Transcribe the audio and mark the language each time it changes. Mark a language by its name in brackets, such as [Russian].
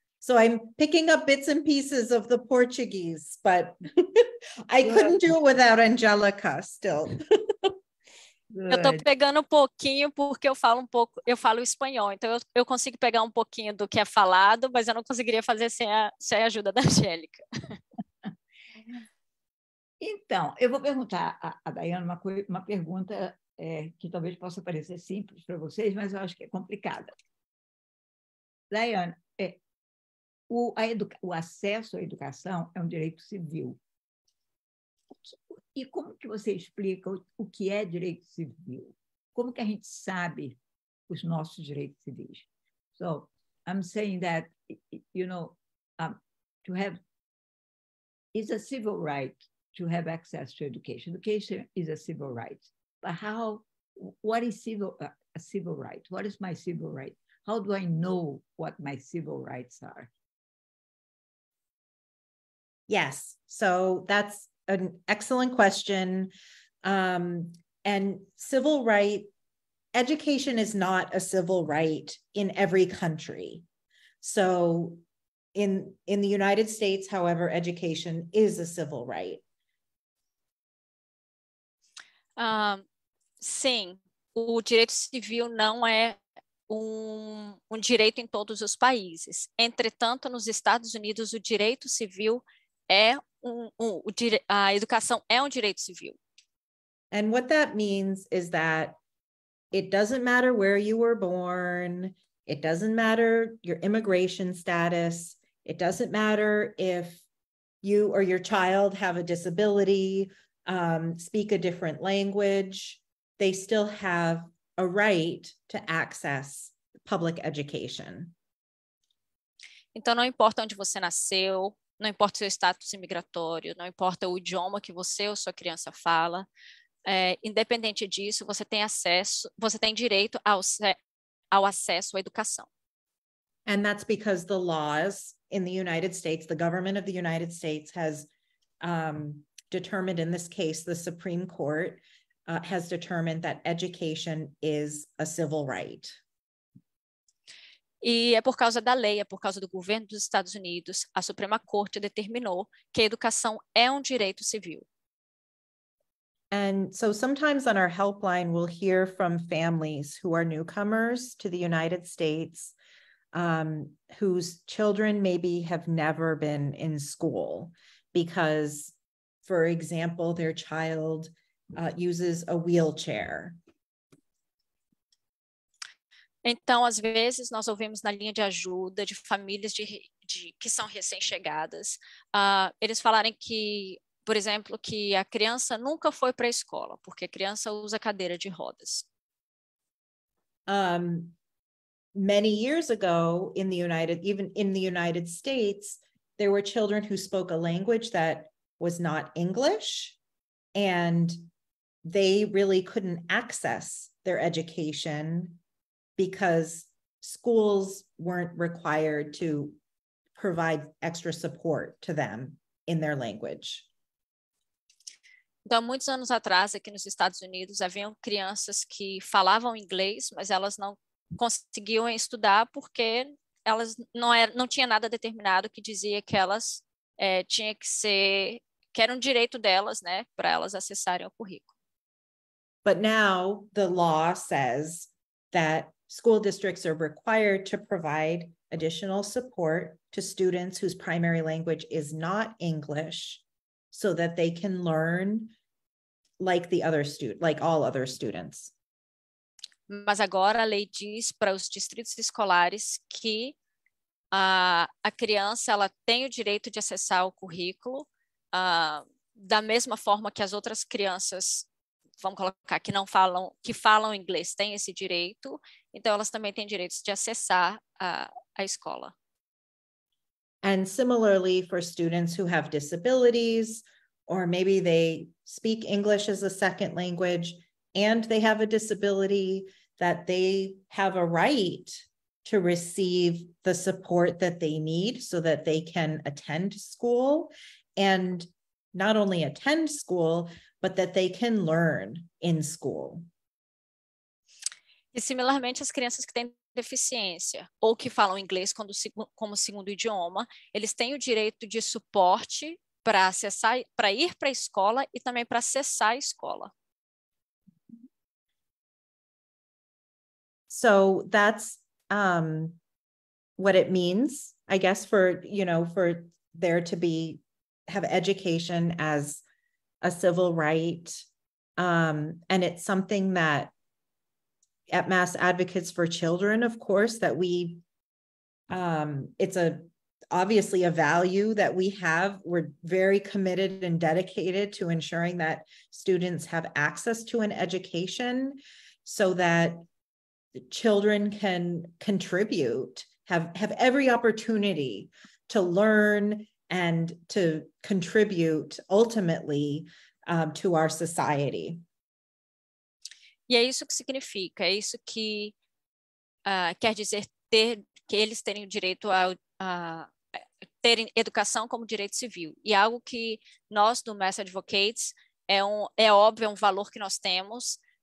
[English] So I'm picking up bits and pieces of the Portuguese, but I couldn't do it without Angelica still. [Portuguese] Eu tô pegando um pouquinho porque eu falo espanhol, então eu consigo pegar um pouquinho do que é falado, mas eu não conseguiria fazer sem a ajuda da Angélica. Então, eu vou perguntar a Dayana uma pergunta que talvez possa parecer simples para vocês, mas eu acho que é complicada. Dayana, o acesso à educação é um direito civil. E como que você explica o que é direito civil? Como que a gente sabe os nossos direitos civis? [English] So, I'm saying that, you know, to have, it's a civil right to have access to education. Education is a civil right. But how, what is civil, a civil right? What is my civil right? How do I know what my civil rights are? Yes, so that's an excellent question. And civil right, education is not a civil right in every country. So in the United States, however, education is a civil right. [Portuguese] Sim, o direito civil não é um direito em todos os países. Entretanto, nos Estados Unidos, o direito civil é a educação é um direito civil. [English] And what that means is that it doesn't matter where you were born, it doesn't matter your immigration status, it doesn't matter if you or your child have a disability, speak a different language, they still have a right to access public education. [Portuguese] Então não importa onde você nasceu, não importa o seu status imigratório, não importa o idioma que você ou sua criança fala, independente disso, você tem acesso, você tem direito ao acesso à educação. [English] And that's because the laws in the United States, the government of the United States has determined, in this case, the Supreme Court has determined that education is a civil right. [Portuguese] E é por causa da lei, é por causa do governo dos Estados Unidos, a Suprema Corte determinou que a educação é um direito civil. [English] And so sometimes on our helpline, we'll hear from families who are newcomers to the United States, whose children maybe have never been in school because, for example, their child uses a wheelchair [Portuguese] Então, às vezes, nós ouvimos na linha de ajuda de famílias que são recém-chegadas, eles falarem que, por exemplo, que a criança nunca foi para a escola, porque a criança usa cadeira de rodas. [English] Many years ago, in the United States, there were children who spoke a language that was not English, and they really couldn't access their education because schools weren't required to provide extra support to them in their language. [Portuguese] Então, muitos anos atrás, aqui nos Estados Unidos, haviam crianças que falavam inglês, mas elas não conseguiam estudar porque elas não tinha nada determinado que dizia que elas tinha que ser, que era um direito delas, né, para elas acessarem o currículo. [English] But now the law says that school districts are required to provide additional support to students whose primary language is not English so that they can learn like the other student, like all other students. [Portuguese] Mas agora a lei diz para os distritos escolares que a criança ela tem o direito de acessar o currículo da mesma forma que as outras crianças, vamos colocar, que falam inglês, têm esse direito, então elas também têm direitos de acessar a escola. [English] And similarly for students who have disabilities, or maybe they speak English as a second language and they have a disability, that they have a right to receive the support that they need so that they can attend school, and not only attend school, but that they can learn in school. [Portuguese] E similarmente, as crianças que têm deficiência ou que falam inglês como segundo idioma, eles têm o direito de suporte para acessar, para ir para a escola e também para acessar a escola. [English] So that's what it means, I guess, for there to be, have education as a civil right. And it's something that at Mass Advocates for Children, of course, that we, it's obviously a value that we have. We're very committed and dedicated to ensuring that students have access to an education so that children can contribute, have every opportunity to learn and to contribute ultimately to our society. [Portuguese] E é isso que significa, é isso que quer dizer ter, que eles terem o direito a terem educação como direito civil. E algo que nós do Mass Advocates é um valor que nós temos.